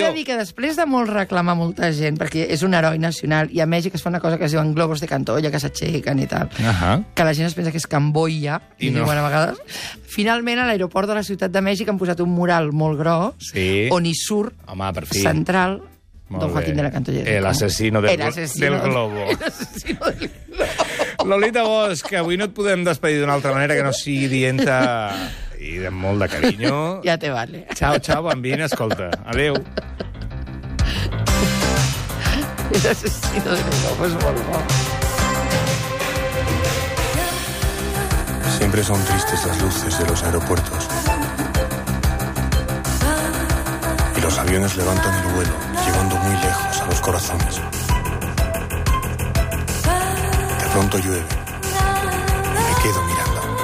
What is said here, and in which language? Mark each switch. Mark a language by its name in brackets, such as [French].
[Catalan] T'he de dir que després de molt reclamar molta gent, perquè és un heroi nacional, i a Mèxic es fa una cosa que es diuen globus de cantolla, que s'aixequen i tal, que la gent es pensa que és Camboya, i no. diuen a vegades. Finalment, a l'aeroport de la Ciutat de Mèxic han posat un mural molt gros, sí. on i surt, home, per fi. Central, molt Don Joaquín bé. De la Cantolleta. [Spanish] El asesino del, del globo. [Catalan] Lolita Bosch, avui no et podem despedir d'una altra manera que no sigui dient-te i amb molt de carinyo. [Spanish] Ja te vale. [Italian] Ciao, ciao, bambina, escolta. [Catalan] Adéu. [Spanish] El asesino del globo [Catalan] és molt bo. [Spanish] Siempre son tristes las luces de los aeropuertos. Los aviones levantan el vuelo, llevando muy lejos a los corazones. De pronto llueve y me quedo mirando.